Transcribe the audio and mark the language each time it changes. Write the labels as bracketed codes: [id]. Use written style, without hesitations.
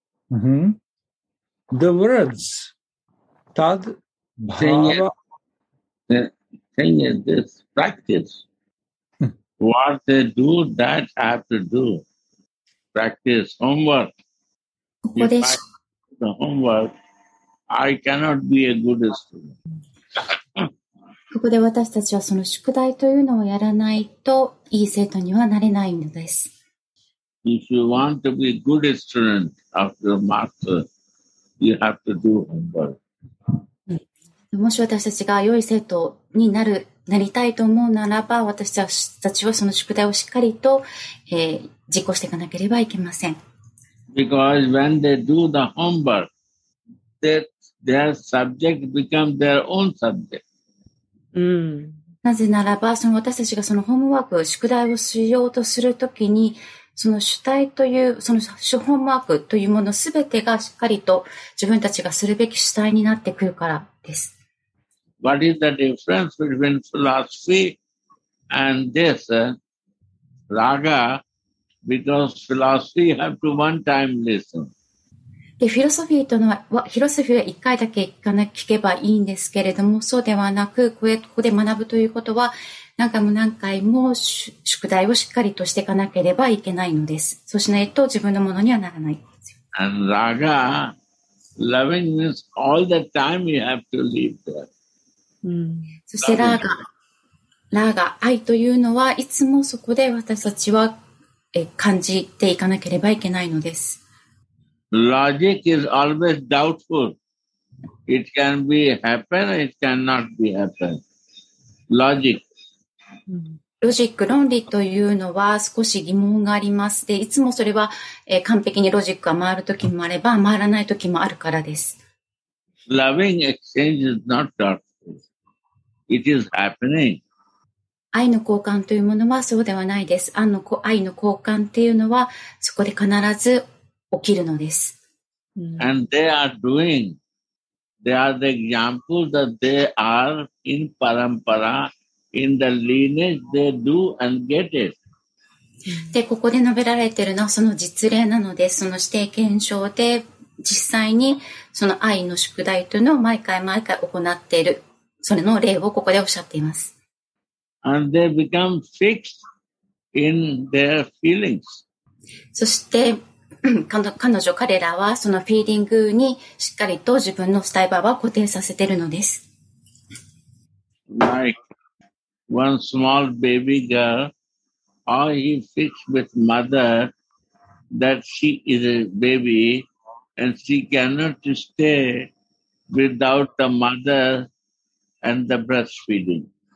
[en] Mm-hmm. The words. Tad Bhava. Thing is, this practice, what they do, that have to do. Practice, homework. [ja] ここで、 [en] the homework, I cannot be a good student. [ja] ここで私たちはその宿題というのをやらないと、いい生徒にはなれないのです。 [en] If you want to be a good student of your master, you have to do homework. [ja] もし私たちが良い生徒に なりたいと思うならば、私たちはその宿題をしっかりと、実行していかなければいけません。 [en] Because when they do the homework, their subject becomes their own subject. [ja] なぜならば、その私たちがそのホームワーク、宿題をしようとするときに、その主体という、その主ホームワークというものすべてがしっかりと自分たちがするべき主体になってくるからです。 [en] What is the difference between philosophy and this? Raga, because philosophy have to one time listen. [ja] で、フィロソフィーというのは、フィロソフィーは一回だけ聞けばいいんですけれども、そうではなく、ここで学ぶということは、何回も何回も宿題をしっかりとしていかなければいけないのです。そうしないと自分のものにはならないんですよ。 [en] And raga, lovingness, all the time you have to leave there. [ja] そしてラーガ、愛というのは、いつもそこで私たちは感じていかなければいけないのです。 [en] Logic is always doubtful. It can be happen, it cannot be happen. Logic. [ja] Logic, 論理というのは少し疑問があります。で、いつもそれは完璧にロジックが回るときもあれば、回らないときもあるからです。 [en] Loving exchange is not doubtful. It is happening. [ja] 愛の交換というものはそうではないです。愛の交換っていうのはそこで必ず起きるのです。 [en] And they are doing. They are the example that they are in parampara, in the lineage, they do and get it. [ja] で、ここで述べられているのはその実例なので、その指定検証で実際にその愛の宿題というのを毎回毎回行っている、それの例をここでおっしゃっています。 [en] And they become fixed in their feelings. [ja] そして彼女彼らはそのフィーリングにしっかりと自分のスタイバーは固定させているのです。 [en] Like one small baby girl, all he fixed with mother that she is a baby and she cannot stay without the mother and the breastfeeding.